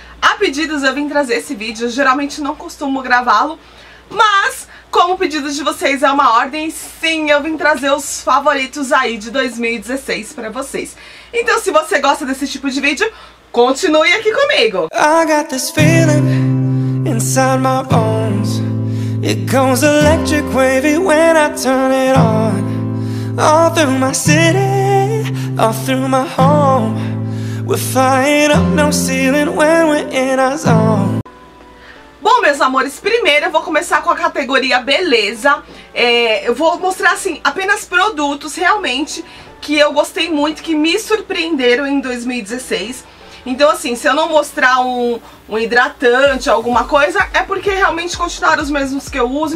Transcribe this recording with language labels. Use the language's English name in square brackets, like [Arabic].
[Portuguese] A pedidos eu vim trazer esse vídeo, geralmente não costumo gravá-lo, mas como o pedido de vocês é uma ordem, sim, eu vim trazer os favoritos aí de 2016 pra vocês. Então se você gosta desse tipo de vídeo, continue aqui comigo! [English] I got this feeling inside my bones. It goes electric wavy when I turn it on. All through my city, all through my home. We're flying up no ceiling when we're in our zone. [Portuguese] Bom, meus amores, primeiro eu vou começar com a categoria beleza. Eu vou mostrar assim, apenas produtos realmente que eu gostei muito, que me surpreenderam em 2016. Então assim, se eu não mostrar um hidratante, alguma coisa, é porque realmente continuaram os mesmos que eu uso.